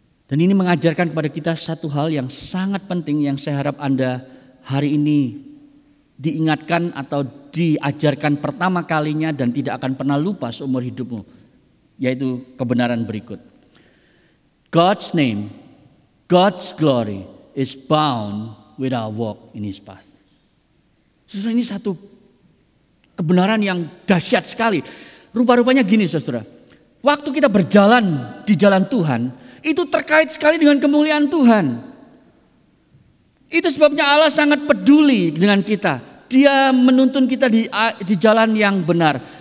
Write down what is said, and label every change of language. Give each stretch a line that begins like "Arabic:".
Indonesian: Dan ini mengajarkan kepada kita satu hal yang sangat penting yang saya harap Anda hari ini diingatkan atau diajarkan pertama kalinya dan tidak akan pernah lupa seumur hidupmu. Yaitu kebenaran berikut.
English: God's name, God's glory is bound with our walk in his path.
Indonesian: Saudara, ini satu kebenaran yang dahsyat sekali. Rupa-rupanya gini saudara, waktu kita berjalan di jalan Tuhan, itu terkait sekali dengan kemuliaan Tuhan. Itu sebabnya Allah sangat peduli dengan kita. Dia menuntun kita di jalan yang benar.